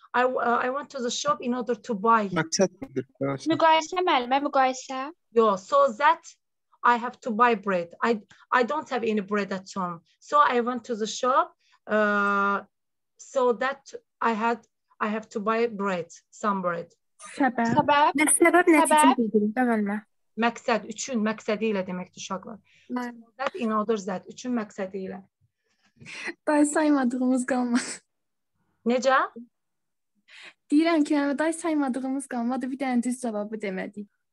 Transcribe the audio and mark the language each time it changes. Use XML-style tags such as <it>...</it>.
<en>I went to the shop in order to buy.</en> <az>Müqayisə məlumə, müqayisə.</az> <en>Yo, so that I have to buy bread. I don't have any bread at home. So I went to the shop so that I have to buy bread, some bread.</en> <az>Səbəb. Səbəb nə səbəb bildirir, məlumə. Məqsəd, üçün məqsədi ilə deməkdir uşaqlar.</az> <en>That in order that,</en> <az>üçün məqsədi ilə. Day saymadığımız qalmadı. Necə? Deyirəm ki, mənə day saymadığımız qalmadı, bir dənə düz cavabı demədik.</az>